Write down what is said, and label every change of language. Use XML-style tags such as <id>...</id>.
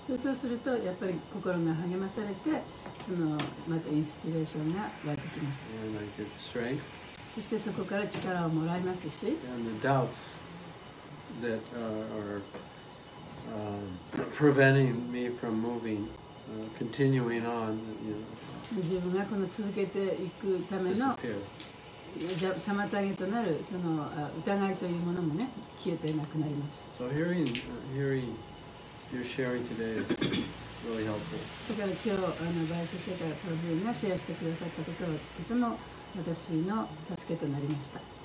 <ja>そうするとやっぱり心が励まされてそのまたインスピレーションが湧いてきます。</ja> <en>And I get strength.</en> <ja>そしてそこから力をもらいますし。</ja> <en>And the doubts that are preventing me from moving, continuing on, you know.</en> <ja>自分がこの続けていくための妨げとなるその疑いというものもね消えてなくなります。</ja> <en>So hearing your sharing today is really helpful.</en> <ja>だから今日バイシャシェカプロフィールがシェアしてくださったことはとても私の助けとなりました。</ja>